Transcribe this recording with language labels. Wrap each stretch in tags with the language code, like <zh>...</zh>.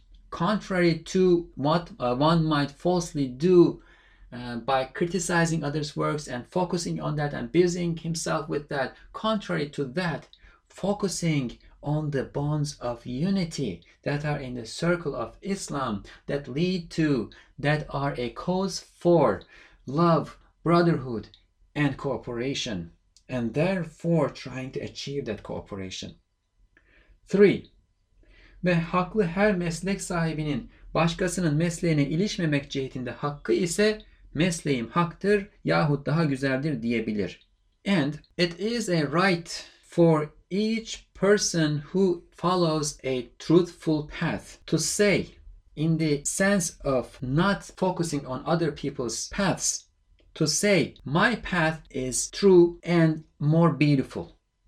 <en>Contrary to what one might falsely do by criticizing others' works and focusing on that and busying himself with that, contrary to that, focusing on the bonds of unity that are in the circle of Islam, that lead to, that are a cause for love, brotherhood, and cooperation, and therefore trying to achieve that cooperation. 3.</en> <tr>Ve haklı her meslek sahibinin başkasının mesleğine ilişmemek cihetinde hakkı ise mesleğim haktır yahut daha güzeldir diyebilir.</tr> <en>And it is a right for each person who follows a truthful path to say, in the sense of not focusing on other people's paths, to say, my path is true and more beautiful.</en>